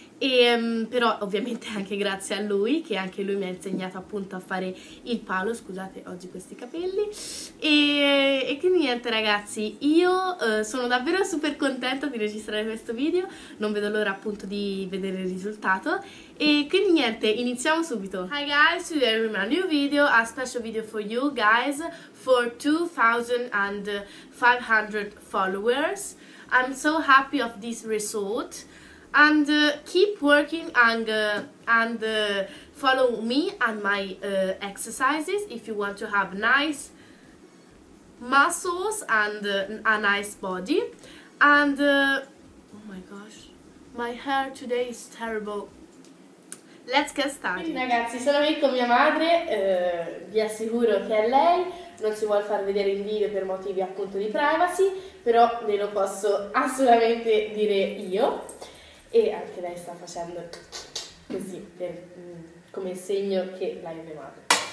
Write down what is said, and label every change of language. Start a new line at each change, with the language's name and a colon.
Italian: Però ovviamente anche grazie a lui, che anche lui mi ha insegnato appunto a fare il palo. Scusate, oggi questi capelli. E quindi niente ragazzi, io sono davvero super contenta di registrare questo video. Non vedo l'ora appunto di vedere il risultato. E quindi niente, iniziamo subito.
English: Hi guys, today we have a new video, a special video for you guys, for 2500 followers. I'm so happy of this result. And keep working and follow me and my exercises if you want to have nice muscles and a nice body. And oh my gosh, my hair today is terrible. Let's get started.
Italian: Ragazzi, sono qui con mia madre, vi assicuro che è lei, non si vuole far vedere in video per motivi appunto di privacy, però ve lo posso assolutamente dire io. E anche lei sta facendo così, come segno che lei è mia madre.